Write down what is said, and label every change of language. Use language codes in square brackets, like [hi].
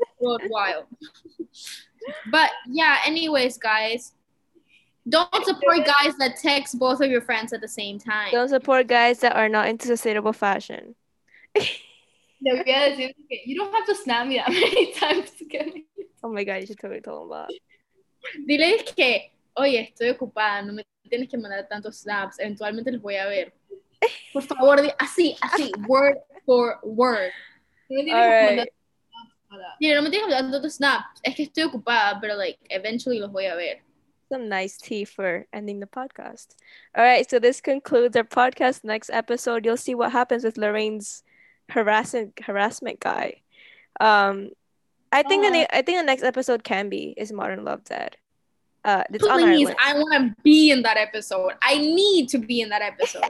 [en] Worldwide. But, yeah, anyways, guys, Don't support guys that text both of your friends at the same time. Don't support guys that are not into sustainable fashion. You don't have to snap me that many times to get me. Oh my god, you should totally tell them that. [es] Dile que, oye, estoy ocupada, no me tienes que mandar tantos snaps, eventualmente los voy a ver. Por favor, así, así, [en] word for word. Alright. [es] No me tienes que mandar tantos snaps, es que estoy ocupada, pero [en] like, eventually [es] los voy a ver. [en] Some nice tea for ending the podcast. All right, so this concludes our podcast. Next episode, you'll see what happens with Lorraine's harassment guy. I think the next episode can be is Modern Love Dead. I want to be in that episode. I need to be in that episode.